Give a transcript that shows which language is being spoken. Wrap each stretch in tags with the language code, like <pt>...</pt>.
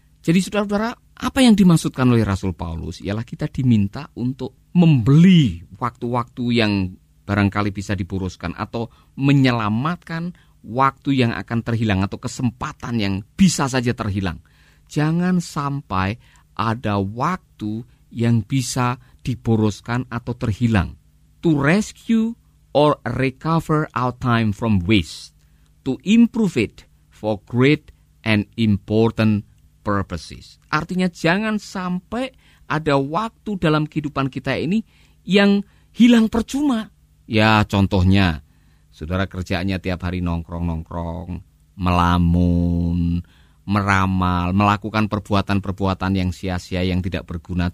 <id>Jadi saudara-saudara, apa yang dimaksudkan oleh Rasul Paulus ialah kita diminta untuk membeli waktu-waktu yang barangkali bisa diboroskan atau menyelamatkan waktu yang akan terhilang atau kesempatan yang bisa saja terhilang. Jangan sampai ada waktu yang bisa diboroskan atau terhilang.</id> <en>To rescue or recover our time from waste, to improve it for great and important purposes.</en> <id>Artinya jangan sampai ada waktu dalam kehidupan kita ini yang hilang percuma. Ya, contohnya saudara kerjaannya tiap hari nongkrong-nongkrong, melamun, meramal, melakukan perbuatan-perbuatan yang sia-sia, yang tidak berguna.</id>